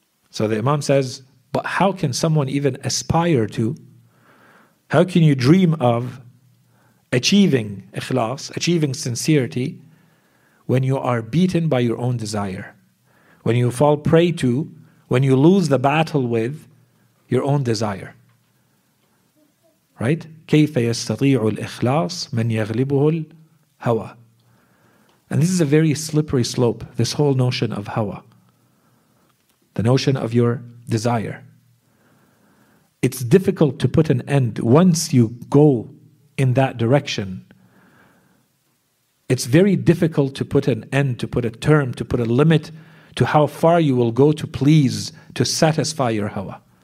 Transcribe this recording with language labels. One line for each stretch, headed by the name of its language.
English: So the Imam says, but how can someone even aspire to, how can you dream of achieving ikhlas, achieving sincerity, when you are beaten by your own desire, when you fall prey to, when you lose the battle with your own desire? Right?
Arabic: كيف يستطيع الإخلاص من يغلبه الهوى.
English: And this is a very slippery slope, this whole notion of hawa, the notion of your desire. It's difficult to put an end once you go in that direction. It's very difficult to put an end, to put a term, to put a limit to how far you will go to please, to satisfy your hawa.